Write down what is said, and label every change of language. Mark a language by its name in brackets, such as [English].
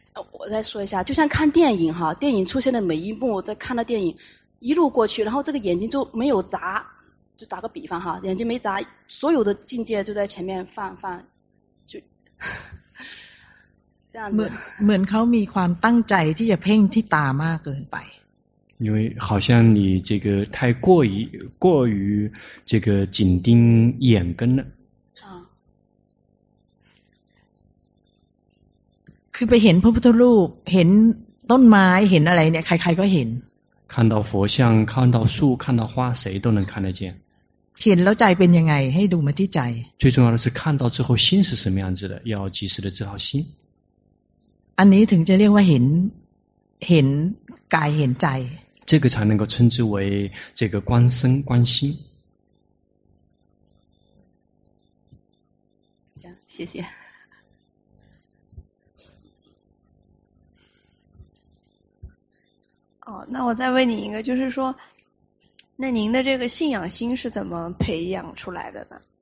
[Chinese] 我再说一下，就像看电影哈，电影出现的每一幕，在看的电影一路过去，然后这个眼睛就没有眨，就打个比方哈，眼睛没眨，所有的境界就在前面放，就这样子。 [Thai] เหมือนเขามีความตั้งใจที่จะเพ่งที่ตามากเกินไป。 [Chinese] 因为好像你这个太过于这个紧盯眼根了。 [Thai] คือไปเห็นพระพุทธรูปเห็นต้นไม้เห็นอะไรเนี่ยใครๆก็เห็น [Chinese] 看到佛像看到树看到花谁都能看得见 [Thai] เห็นแล้วใจเป็นยังไงให้ดูมาที่ใจ [Chinese] 最重要的是看到之后心是什么样子的要及时的知道心 [Thai] อันนี้ถึงจะเรียกว่าเห็นกายเห็นใจ [Chinese] 这个才能够称之为这个观身观心行谢谢哦，那我再问你一个，就是说，那您的这个信仰心是怎么培养出来的呢？